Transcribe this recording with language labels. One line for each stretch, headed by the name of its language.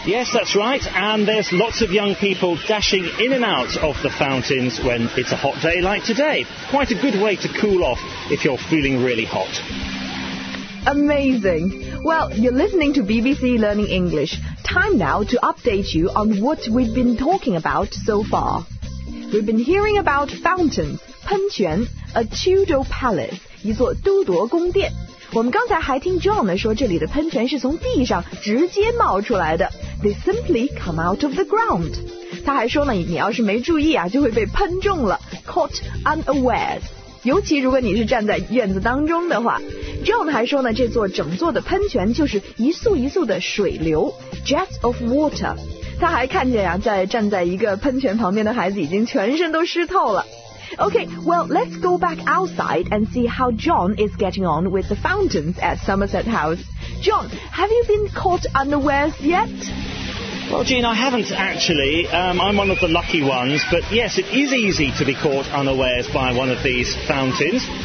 English: Yes, that's right, and there's lots of young people dashing in and out of the fountains when it's a hot day like today. Quite a good way to cool off if you're feeling really hot. Amazing. Well, you're listening to BBC Learning English. Time now to update you on what we've been talking about so far. We've been hearing about fountains.
Chinese: 喷泉 ，
English: a Tudor palace，
Chinese: 一座都铎宫殿。我们刚才还听 John 呢说，这里的喷泉是从地上直接冒出来的 ，
English: they simply come out of the ground。
Chinese: 他还说呢，你要是没注意啊，就会被喷中了 ，
English: caught unawares。
Chinese: 尤其如果你是站在院子当中的话 ，John 还说呢，这座整座的喷泉就是一簌一簌的水流 ，
English: jets of water。
Chinese: 他还看见呀、啊，在站在一个喷泉旁边的孩子已经全身都湿透了。
English: Okay, well, let's go back outside and see how John is getting on with the fountains at Somerset House. John, have you been caught unawares yet? Well, Jean, I haven't actually. I'm one of the lucky ones, but yes, it is easy to be caught unawares by one of these fountains.